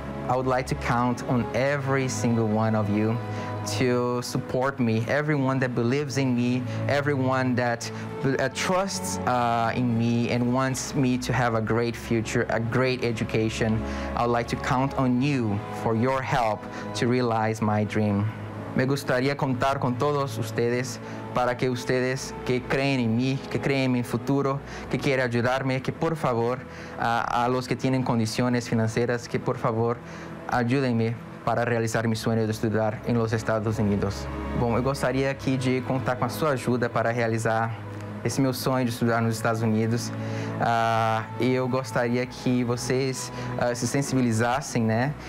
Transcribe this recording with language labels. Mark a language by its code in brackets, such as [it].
[en] I would like to count on every single one of you to support me, everyone that believes in me, everyone that trusts in me and wants me to have a great future, a great education. I'd like to count on you for your help to realize my dream. [es] Me gustaría contar con todos ustedes para que ustedes que creen en mí, que creen en mi futuro, que quieren ayudarme, que por favor, a los que tienen condiciones financieras, que por favor, ayúdenme para realizar [pt] meu sonho de estudar em [es] los Estados Unidos. [pt] Bom, eu gostaria aqui de contar com a sua ajuda para realizar esse meu sonho de estudar nos Estados Unidos. Eu gostaria que vocês se sensibilizassem, né?